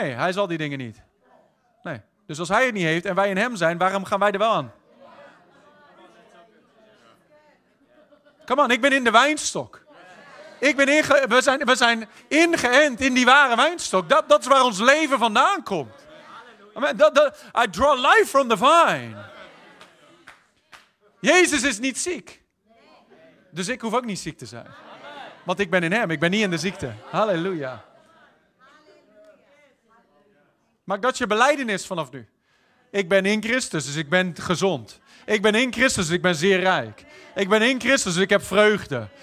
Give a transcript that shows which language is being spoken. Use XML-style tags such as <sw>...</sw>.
<nl>Nee, hij zal die dingen niet. Nee. Dus als hij het niet heeft en wij in hem zijn, waarom gaan wij er wel aan? Kom aan, ik ben in de wijnstok. We zijn ingeënt in die ware wijnstok. Dat is waar ons leven vandaan komt.</nl> <en>I draw life from the vine.</en> <nl>Jezus is niet ziek. Dus ik hoef ook niet ziek te zijn. Want ik ben in hem, ik ben niet in de ziekte. Halleluja. Maak dat je belijdenis vanaf nu. Ik ben in Christus, dus ik ben gezond. Ik ben in Christus, dus ik ben zeer rijk. Ik ben in Christus, dus ik heb vreugde.</nl>